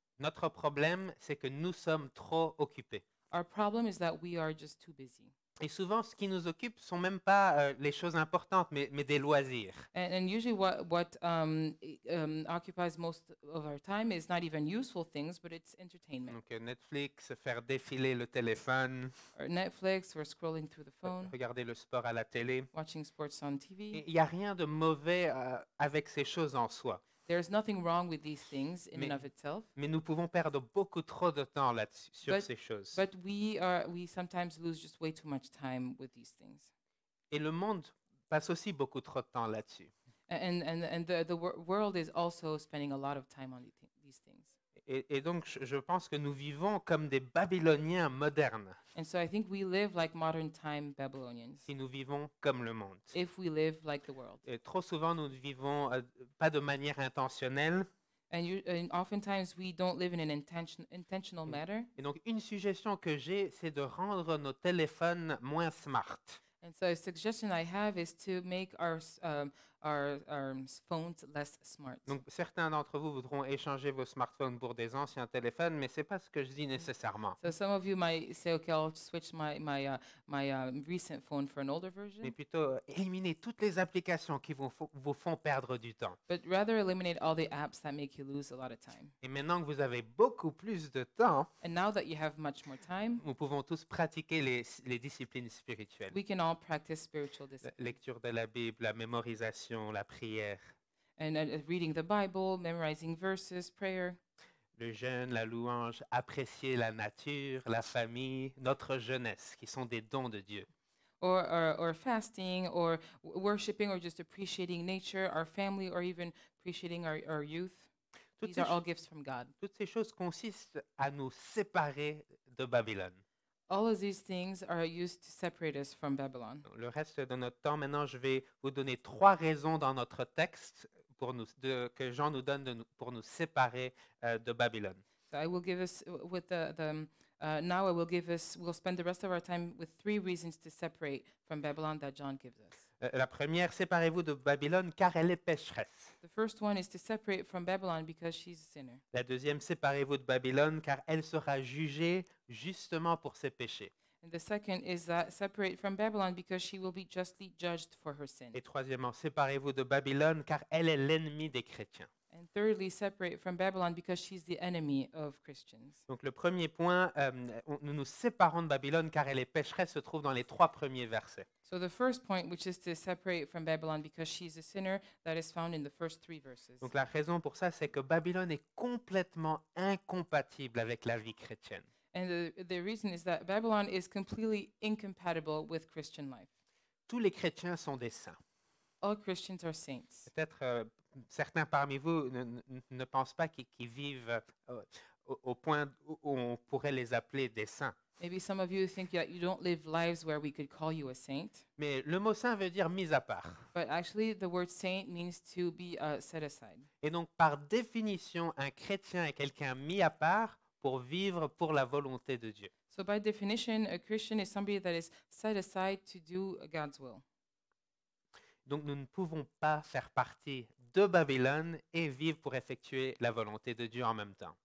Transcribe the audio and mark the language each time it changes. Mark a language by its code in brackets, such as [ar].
[fr] Notre problème, c'est que nous sommes trop occupés. [en] Our problem is that we are just too busy. [fr] Et souvent, ce qui nous occupe ne sont même pas les choses importantes, mais des loisirs. [en] And usually what occupies most of our time is not even useful things, but it's entertainment. [fr] Donc Netflix, faire défiler le téléphone. [en] Or Netflix, or scrolling through the phone. [fr] Regarder le sport à la télé. [en] Watching sports on TV. [fr] Il n'y a rien de mauvais avec ces choses en soi. [en] There is nothing wrong with these things in and of itself. [fr] Mais nous pouvons perdre beaucoup trop de temps sur ces choses. [en] But we sometimes lose just way too much time with these things. [fr] Et le monde passe aussi beaucoup trop de temps là-dessus. [en] And the world is also spending a lot of time on these things. [fr] Et donc je pense que nous vivons comme des Babyloniens modernes. [en] And so I think we live like modern time Babylonians. [fr] Si nous vivons comme le monde. [en] If we live like the world. [fr] Et trop souvent nous ne vivons pas de manière intentionnelle. [en] And oftentimes we don't live in an intentional manner. [fr] Et donc une suggestion que j'ai, c'est de rendre nos téléphones moins smart. [en] And so a suggestion I have is to make our phones less smart. [fr] Donc certains d'entre vous voudront échanger vos smartphones pour des anciens téléphones, mais c'est pas ce que je dis nécessairement. [en] So some of you might say, okay, I'll switch my recent phone for an older version. [fr] Mais plutôt éliminer toutes les applications qui vous font perdre du temps. [en] But rather eliminate all the apps that make you lose a lot of time. [fr] Et maintenant que vous avez beaucoup plus de temps, [en] and now that you have much more time, [fr] nous pouvons tous pratiquer les disciplines spirituelles. [en] We can all practice spiritual disciplines. [fr] Lecture de la Bible, la mémorisation. La prière. [en] And reading the Bible, memorizing verses, prayer. [fr] Le jeûne, la louange, apprécier la nature, la famille, notre jeunesse, qui sont des dons de Dieu. [en] Or fasting, or worshiping, or just appreciating nature, our family, or even appreciating our youth. These are all gifts from God. [fr] Toutes ces choses consistent à nous séparer de Babylone. [en] All of these things are used to separate us from Babylon. [fr] Le reste de notre temps, maintenant, je vais vous donner trois raisons dans notre texte que Jean nous donne pour nous séparer de Babylone. [en] So I will give us with now I will give us we'll spend the rest of our time with three reasons to separate from Babylon that John gives us. [fr] La première, séparez-vous de Babylone car elle est pécheresse. [en] The first one is to separate from Babylon because she's a sinner. [fr] La deuxième, séparez-vous de Babylone car elle sera jugée justement pour ses péchés. [en] And the second is that separate from Babylon because she will be justly judged for her sin. [fr] Et troisièmement, séparez-vous de Babylone car elle est l'ennemi des chrétiens. [en] And thirdly, separate from Babylon because she's the enemy of Christians. [fr] Donc le premier point, nous nous séparons de Babylone car elle est pécheresse, se trouve dans les trois premiers versets. [en] So the first point, which is to separate from Babylon because she's a sinner, that is found in the first three verses. [fr] Donc la raison pour ça, c'est que Babylone est complètement incompatible avec la vie chrétienne. [en] And the reason is that Babylon is completely incompatible with Christian life. [fr] Tous les chrétiens sont des saints. [en] All Christians are saints. [fr] Peut-être certains parmi vous ne pensent pas qu'ils vivent au point où on pourrait les appeler des saints. [en] Maybe some of you think that you don't live lives where we could call you a saint. [fr] Mais le mot saint veut dire mis à part. [en] But actually, the word saint means to be set aside. [fr] Et donc, par définition, un chrétien est quelqu'un mis à part pour vivre pour la volonté de Dieu. [en] So by definition, a Christian is somebody that is set aside to do God's will. [fr] Donc, nous ne pouvons pas faire partie de Babylone et vivre pour effectuer la volonté de Dieu en même temps.